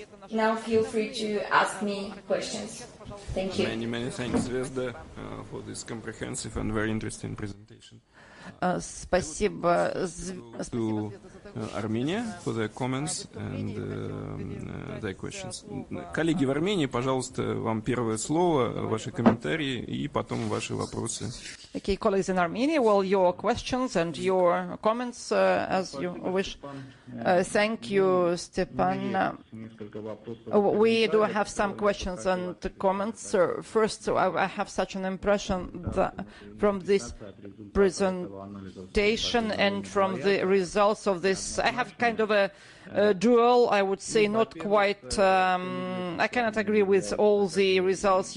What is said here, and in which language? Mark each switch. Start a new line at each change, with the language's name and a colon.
English: Now feel free to ask me questions. Thank you. Many, many thanks, Zvezda, for this comprehensive and very interesting presentation.
Russian: Спасибо.
English: To Armenia for their comments and their questions.
Russian: Коллеги в Армении, пожалуйста, вам первое слово, ваши комментарии и потом ваши вопросы.
English: Okay, colleagues in Armenia, well, your questions and your comments as you wish. Thank you, Stepan. We do have some questions and comments. First, I have such an impression that from this presentation and from the results of this, I have kind of a dual, I would say, not quite, I cannot agree with all the results.